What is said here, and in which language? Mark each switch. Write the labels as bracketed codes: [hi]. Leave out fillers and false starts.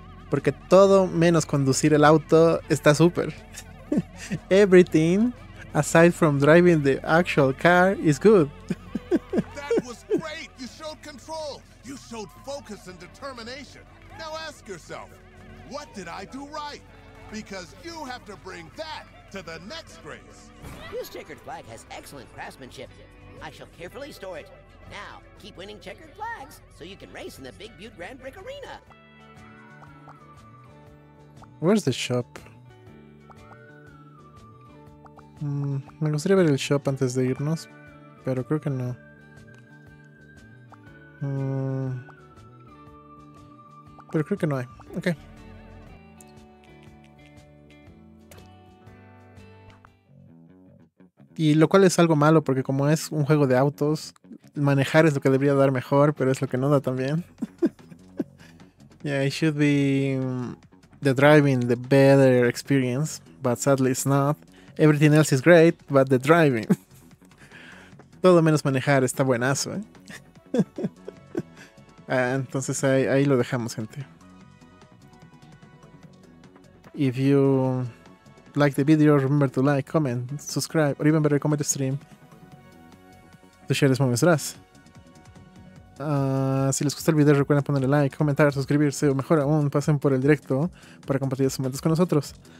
[es] Porque todo menos conducir el auto está súper. [en] Everything aside from driving the actual car is good. That was great. You showed control. You showed focus and determination. Now ask yourself, what did I do right? Because you have to bring that to the next race. This checkered flag has excellent craftsmanship. I shall carefully store it. Now, keep winning checkered flags so you can race in the Big Butte Grand Prix Arena. Where's the shop? [es] Me gustaría ver el shop antes de irnos, pero creo que no. Pero creo que no hay. Okay. Y lo cual es algo malo, porque como es un juego de autos, manejar es lo que debería dar mejor, pero es lo que no da también. [en] Yeah, it should be the driving, the better experience, but sadly it's not. Everything else is great, but the driving. [es] Todo menos manejar está buenazo, ¿eh? Entonces ahí lo dejamos, gente. [en] If you like the video, remember to like, comment, subscribe, or even better, comment the stream to share this moment with us. [es] Si les gustó el video, recuerden ponerle like, comentar, suscribirse, o mejor aún, pasen por el directo para compartir sus momentos con nosotros.